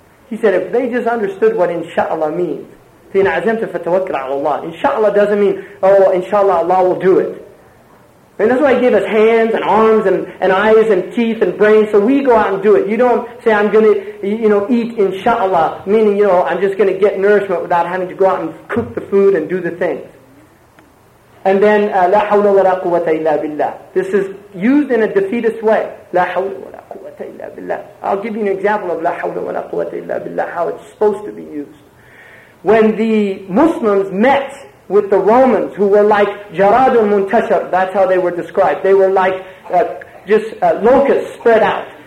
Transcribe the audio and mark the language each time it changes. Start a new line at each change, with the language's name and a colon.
English: He said, if they just understood what insha'Allah means,
Arabic: فِيْنَ عَزَمْتَ فَتَوَكَّلْ عَلَى اللَّهِ
English: insha'Allah doesn't mean, oh, insha'Allah, Allah will do it. And that's why he gave us hands and arms and eyes and teeth and brains, so we go out and do it. You don't say, I'm going to eat insha'Allah, meaning, you know, I'm just going to get nourishment without having to go out and cook the food and do the things.
Arabic: And then, لَا حَوْلَ وَلَا قُوَّةَ إِلَّا بِاللَّهِ.
English: This is used in a defeatist way.
Arabic: لَا حَوْلَ وَلَا قُوَّةَ إِلَّا بِاللَّهِ.
English: I'll give you an example of
Arabic: لَا حَوْلَ وَلَا قُوَّةَ إِلَّا بِاللَّهِ,
English: how it's supposed to be used. When the Muslims met with the Romans, who were like
Arabic: جَرَادُ الْمُنْتَشَرُ,
English: that's how they were described. They were like locusts spread out.